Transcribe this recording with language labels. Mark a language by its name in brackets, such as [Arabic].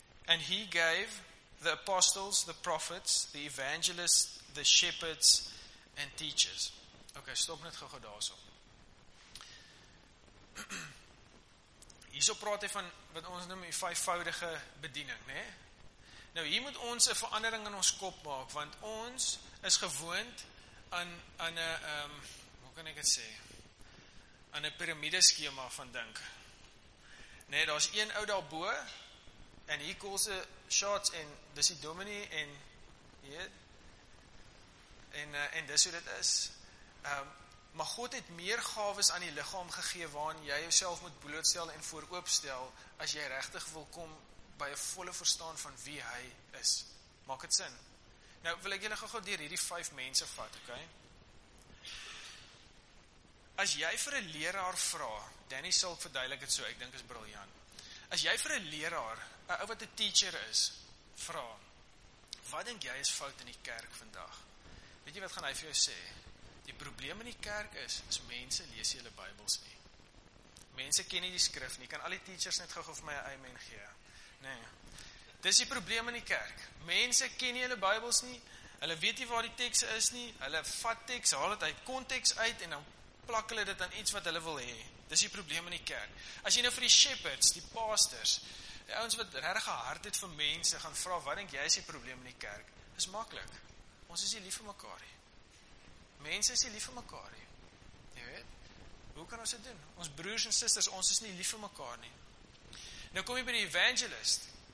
[English] And he gave the apostles, the prophets, the evangelists, the shepherds and teachers. [Afrikaans] Okay, stop net gou daarso. Hierso praat hy van wat ons noem die vyfvoudige bediening, né? Nou hier moet ons 'n verandering in ons kop maak want ons is gewoond aan 'n hoe kan ek dit sê? Aan 'n piramideskema van dink. Né, nee, daar's een ou daarbo en hier kom se shots en dis die dominee en weet en dis hoe dit is. Maar God het meer gawes aan die liggaam gegee waaraan jy jouself moet blootstel en vooroopstel as jy regtig wil kom by 'n volle verstaan van wie hy is. Maak dit sin? Nou wil ek julle gou-gou deur hierdie 5 mense vat, okay? As jy vir 'n leraar vra, Danny Silk verduidelik dit so, ek dink is briljant. As jy vir 'n leraar, 'n ou wat 'n teacher is, vra, wat dink jy is fout in die kerk vandag? Weet jy wat gaan hy vir jou sê? Die probleem in die kerk is mense lees nie hulle Bybels nie. Mense ken nie die skrif nie. Kan al die teachers net gou-gou vir my 'n amen gee? Nee. Dis die probleem in die kerk. Mense ken nie hulle Bybels nie. Hulle weet nie waar die teks is nie. Hulle vat teks, haal dit uit konteks uit en dan plak hulle dit aan iets wat hulle wil hê. Dis die probleem in die kerk. As jy nou vir die shepherds, die pastors, die ouens wat regtig 'n hart het vir mense gaan vra, wat dink jy is die probleem in die kerk? Is maklik. Ons is nie lief vir mekaar nie. Mense is nie lief vir mekaar nie. Jy weet? Hoe kan ons dit doen? Ons broers en susters, ons is nie lief vir mekaar nie. Nou kom jy by die evangelist.